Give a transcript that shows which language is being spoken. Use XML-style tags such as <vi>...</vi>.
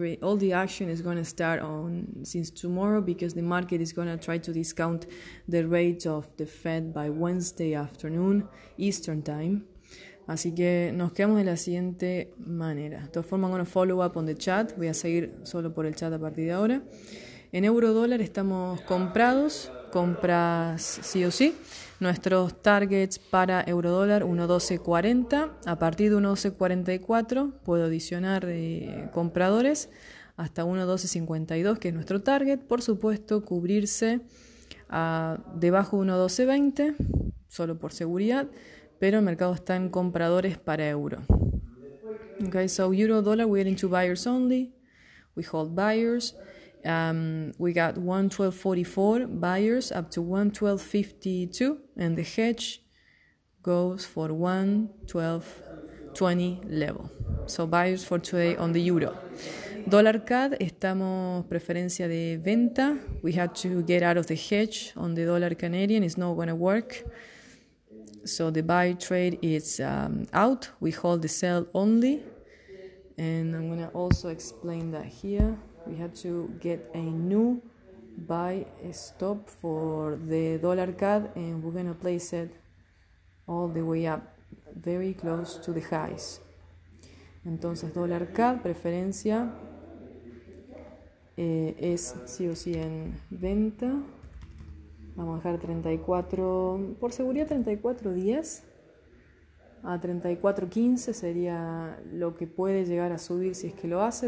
<en>All the action is going to start on since tomorrow because the market is going to try to discount the rate of the Fed by Wednesday afternoon, Eastern time.</en> <es>Así que nos quedamos de la siguiente manera. De todas formas,</es> <en>I'm going to follow up on the chat.</en> <es>Voy a seguir solo por el chat a partir de ahora. En euro dólar estamos comprados. Compras sí o sí. Nuestros targets para euro dólar 1.1240. A partir de 1.1244 puedo adicionar compradores hasta 1.1252, que es nuestro target. Por supuesto, cubrirse debajo de 1.1220, solo por seguridad. Pero el mercado está en compradores para euro.</es> <en>Okay, so euro dólar, we're into buyers only. We hold buyers. We got 1.1244 buyers up to 1.1252, and the hedge goes for 1.1220 level. So buyers for today on the euro. Dollar CAD,</en> <es>estamos preferencia de venta.</es> <en>We had to get out of the hedge on the dollar Canadian. It's not going to work. So the buy trade is out. We hold the sell only. And I'm going to also explain that here. We had to get a new buy stop for the dollar CAD, and we're going to place it all the way up, very close to the highs.</en> <es>Entonces, dollar CAD, preferencia, es sí o sí en venta. Vamos a dejar 34, por seguridad 34.10. A 34.15 sería lo que puede llegar a subir si es que lo hace.</es>